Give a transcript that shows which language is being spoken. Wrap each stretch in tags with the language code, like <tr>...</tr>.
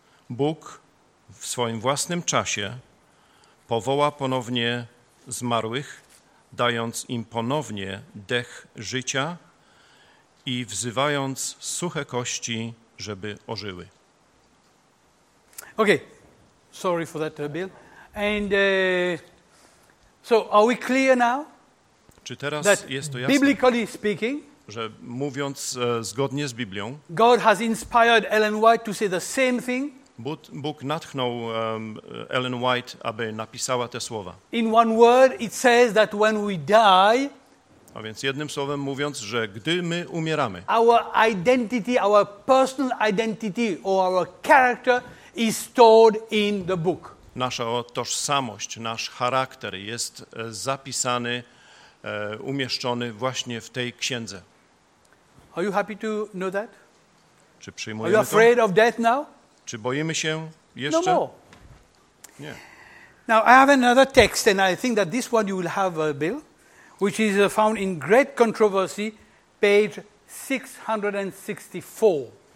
<pl>Bóg w swoim własnym czasie powoła ponownie zmarłych, dając im ponownie dech życia i wzywając suche kości, żeby ożyły.</pl> <en>Okay, sorry for that, Bill. And so are we clear now?</en> <pl>Czy teraz jest to jasne?</pl> <en>Biblically speaking,</en> <pl>że mówiąc zgodnie z Biblią,</pl> <en>God has inspired Ellen White to say the same thing.</en> <pl>Bóg natchnął Ellen White, aby napisała te słowa.</pl> <en>In one word, it says that when we die,</en> <pl>a więc jednym słowem mówiąc, że gdy my umieramy,</pl> <en>our identity, our personal identity or our character is stored in the book.</en> <pl>Nasza tożsamość, nasz charakter jest zapisany, umieszczony właśnie w tej księdze.</pl> <en>Are you happy to know that?</en> <pl>Czy przyjmujemy to?</pl> <en>Are you afraid of death now?</en> <pl>Czy boimy się jeszcze?</pl> <en>No more.</en> <pl>Nie.</pl> <en>Now I have another text, and I think that this one you will have, Bill, which is found in Great Controversy, page 664.</en>